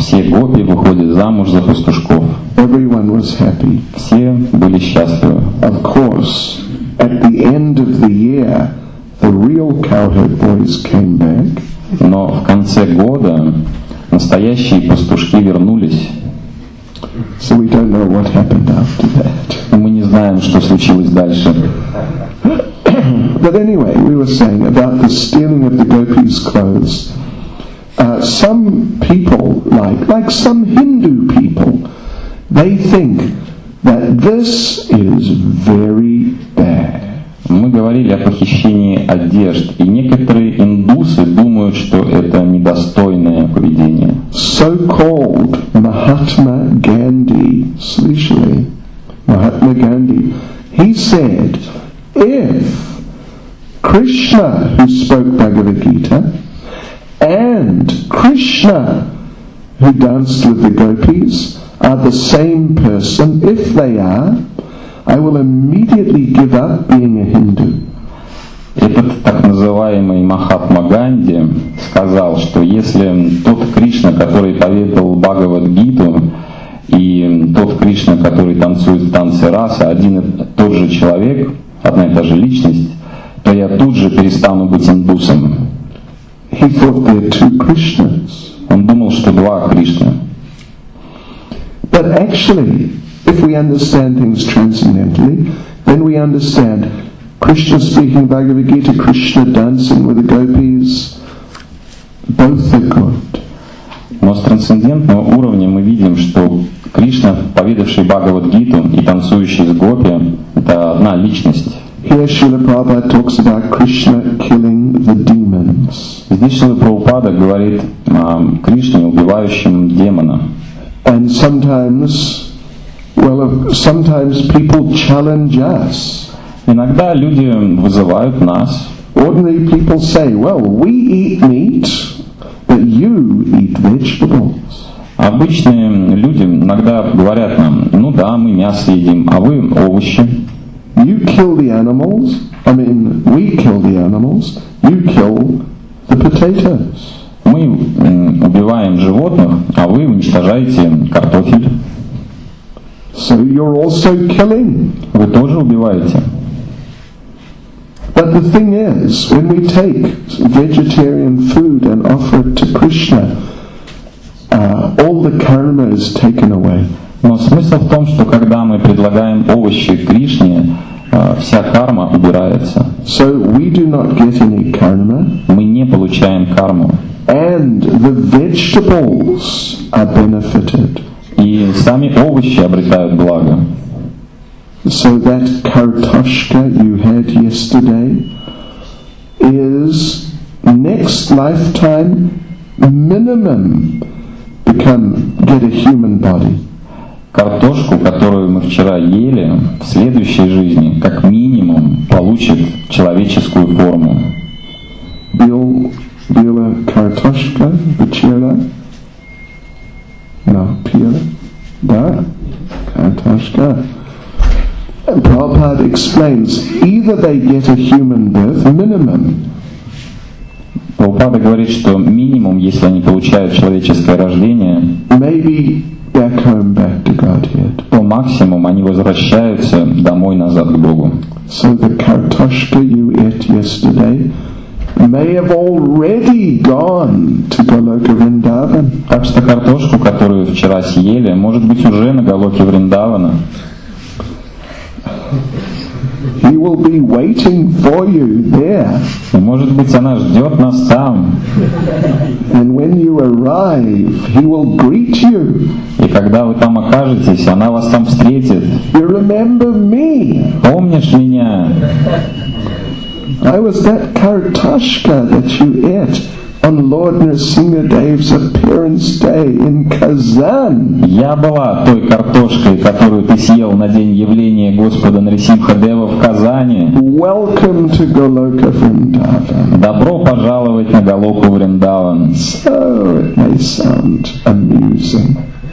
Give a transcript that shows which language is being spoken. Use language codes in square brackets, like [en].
[ru] Все гопи выходят замуж за пастушков. [en] Everyone was happy. [ru] Все были счастливы. [en] Of course, at the end of the year, the real cowherd boys came back. [ru] Но в конце года настоящие пастушки вернулись. [en] So we don't know what happened after that. [ru] Мы не знаем, что случилось дальше. [en] But anyway, we were saying about the stealing of the gopis' clothes. Some people, like some Hindu people, they think that this is very bad. [ru] Мы говорили о похищении одежд, и некоторые индусы думают, что это недостойное поведение. [en] So-called Mahatma Gandhi, [ru] слышали? [en] Mahatma Gandhi, he said, if Krishna, who spoke Bhagavad Gita, and Krishna, who danced with the gopis, are the same person, if they are, I will immediately give up being a Hindu. [ru] Этот так называемый Махатма Ганди сказал, что если тот Кришна, который поведал Бхагавад Гиту, и тот Кришна, который танцует в танце раса, один и тот же человек, одна и та же личность, то я тут же перестану быть индусом. [en] He thought there are two Krishnas. [ru] Он думал, что два Кришны. [en] But actually, if we understand things transcendentally, then we understand Krishna speaking Bhagavad Gita, Krishna dancing with the gopis, both are good. [ru] Но с трансцендентного уровня мы видим, что Кришна, поведавший Бхагавад Гиту и танцующий с гопи, это одна личность. [en] Here Srila Prabhupada talks about Krishna killing the demons. [ru] Здесь Шрила Прабхупада говорит о Кришне, убивающем демона. [en] And sometimes, well, sometimes people challenge us. [ru] Иногда люди вызывают нас. [en] Ordinary people say, well, we eat meat, but you eat vegetables. [ru] Обычные люди иногда говорят нам, ну да, мы мясо едим, а вы овощи. [en] You kill the animals, I mean, we kill the animals, you kill the potatoes. [ru] Мы убиваем животных, а вы уничтожаете картофель. [en] So you're also killing. [ru] Вы тоже убиваете. [en] But the thing is, when we take vegetarian food and offer it to Krishna, all the karma is taken away. [ru] Но смысл в том, что когда мы предлагаем овощи Кришне, вся карма убирается. [en] So we do not get any karma. [ru] Мы не получаем карму. [en] And the vegetables are benefited. [ru] И сами овощи обретают благо. [en] So that Kartoshka you had yesterday is next lifetime minimum get a human body. [ru] Картошку, которую мы вчера ели, в следующей жизни, как минимум, получит человеческую форму. Била картошка вчера? [en] No, [ru] пила? Да? Картошка. [en] And Prabhupada explains, either they get a human birth, minimum. [ru] Прабхупада говорит, что минимум, если они получают человеческое рождение, [en] maybe back home, back to Godhead. [ru] То максимум они возвращаются домой назад к Богу. [en] So the kartoshka you ate yesterday may have already gone to Goloka Vrindavan. [ru] Так что картошку, которую вчера съели, может быть уже на Голоке Вриндавана. [en] He will be waiting for you there. [ru] Может быть, она ждет нас там. [en] And when you arrive, he will greet you. [ru] И когда вы там окажетесь, она вас там встретит. [en] You remember me? [ru] Помнишь меня? [en] I was that kartoshka that you ate on Lord Narasimha Dev's appearance day in Kazan. [ru] Я была той картошкой, которую ты съел на день явления Господа Нарисимхадева в Казани. [en] Welcome to Goloka Vrindavan. [ru] Добро пожаловать на Голоку Вриндаван. [en] So it may sound amusing.